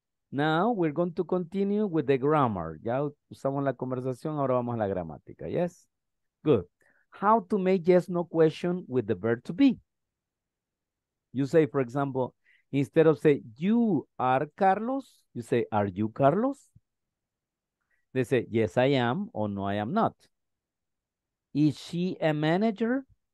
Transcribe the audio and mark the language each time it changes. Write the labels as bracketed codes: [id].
[en] Now, we're going to continue with the grammar. [es] Ya usamos la conversación, ahora vamos a la gramática, yes? [en] Good. How to make yes-no question with the verb to be? You say, for example, instead of say, you are Carlos, you say, are you Carlos? They say, yes, I am, or no, I am not. Is she a manager?